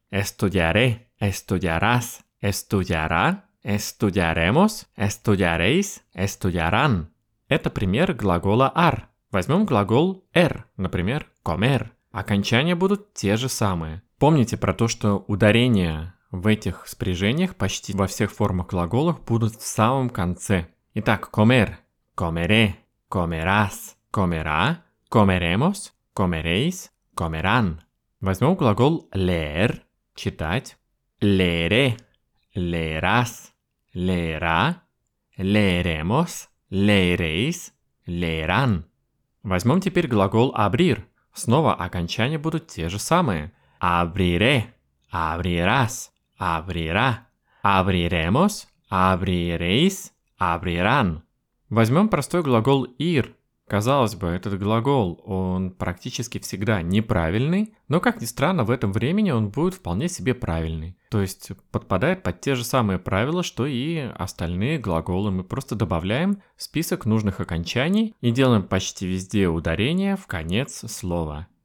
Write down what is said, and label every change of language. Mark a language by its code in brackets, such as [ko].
[es] Estudiaré, estudiarás, estudiará, estudiaremos, estudiaréis, estudiarán. [ru] Это пример глагола ar. Возьмем глагол er, например, comer. Окончания будут те же самые. Помните про то, что ударения в этих спряжениях почти во всех формах глаголов будут в самом конце. Итак, [es] comer, comeré, comerás, comerá, comeremos, comeréis, comerán. [ru] Возьмем глагол leer, читать. [es] Leeré, leerás, leerá, leeremos, leeréis, leerán. [ru] Возьмем теперь глагол abrir. Снова окончания будут те же самые. [es] Abriré, abrirás, abrirá, abriremos, abriréis, abrirán. [ru] Возьмем простой глагол ir. Казалось бы, этот глагол, он практически всегда неправильный, но, как ни странно, в этом времени он будет вполне себе правильный. То есть подпадает под те же самые правила, что и остальные глаголы. Мы просто добавляем список нужных окончаний и делаем почти везде ударение в конец слова.